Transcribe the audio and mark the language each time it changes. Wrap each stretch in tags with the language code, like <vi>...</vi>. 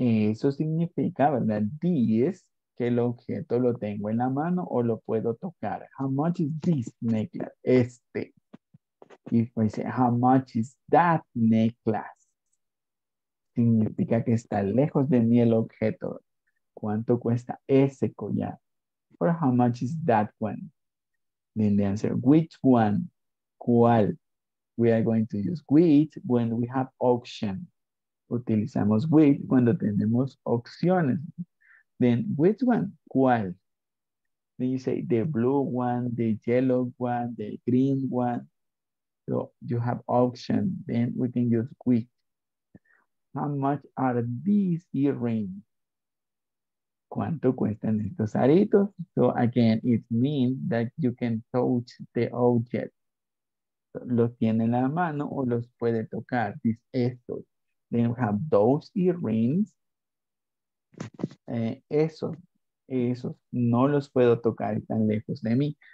<es>Eso significa, ¿verdad? This, que el objeto lo tengo en la mano o lo puedo tocar.</es> <en>How much is this necklace? Este. If I say, how much is that necklace?</en> <es>Significa que está lejos de mí el objeto. ¿Cuánto cuesta ese collar?</es> <en>Or how much is that one? Then the answer, which one? ¿Cuál? We are going to use which when we have auction.</en> <es>Utilizamos which cuando tenemos opciones.</es> <en>Then which one? ¿Cuál? Then you say the blue one, the yellow one, the green one. So you have option, then we can use quick. How much are these earrings?</en> <es>¿Cuánto cuestan estos aritos?</es> <en>So again, it means that you can touch the object.</en> <es>Los tiene en la mano o los puede tocar. This estos.</es> <en>Then we have those earrings.</en> <es>Esos. No los puedo tocar, están lejos de mí.</es>